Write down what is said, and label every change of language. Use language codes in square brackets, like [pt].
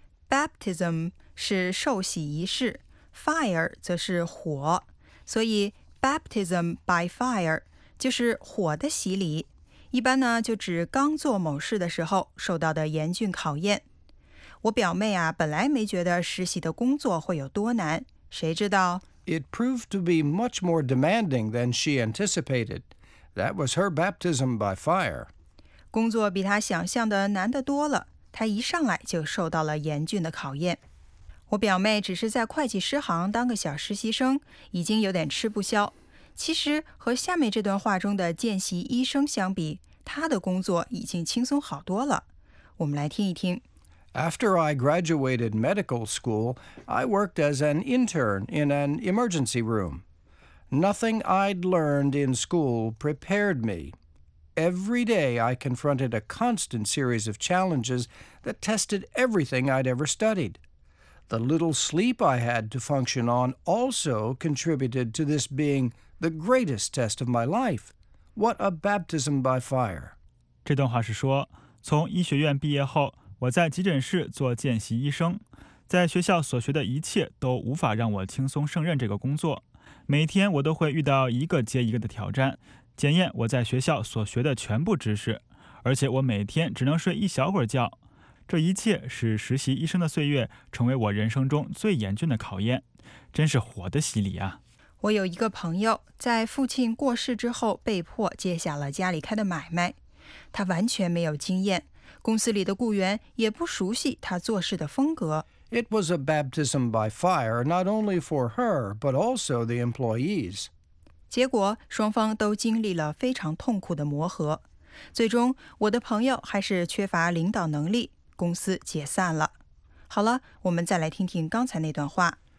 [zh] Baptism 是受洗仪式 ，fire 则是火，所以 baptism by fire 就是火的洗礼。一般呢，就指刚做某事的时候受到的严峻考验。我表妹啊，本来没觉得实习的工作会有多难，谁知道？ [en] It proved to be much more demanding than she anticipated. That was her baptism by fire. [zh] 工作比她想象的难得多了，她一上来就受到了严峻的考验。我表妹只是在会计师行当个小实习生，已经有点吃不消。其实和下面这段话中的见习医生相比，她的工作已经轻松好多了。我们来听一听。 [en] After I graduated medical school, I worked as an intern in an emergency room. Nothing I'd learned in school prepared me. Every day I confronted a constant series of challenges that tested everything I'd ever studied. The little sleep I had to function on also contributed to this being the greatest test of my life. What a baptism by fire. [zh] 这段话是说，从医学院毕业后，我在急诊室做见习医生，在学校所学的一切都无法让我轻松胜任这个工作。每天我都会遇到一个接一个的挑战，检验我在学校所学的全部知识，而且我每天只能睡一小会儿觉。这一切使实习医生的岁月成为我人生中最严峻的考验，真是活的洗礼啊。我有一个朋友在父亲过世之后被迫接下了家里开的买卖，他完全没有经验，公司里的雇员也不熟悉他做事的风格。 [en] It was a baptism by fire, not only for her, but also the employees. [zh] 结果双方都经历了非常痛苦的磨合。最终，我的朋友还是缺乏领导能力，公司解散了。好了，我们再来听听刚才那段话。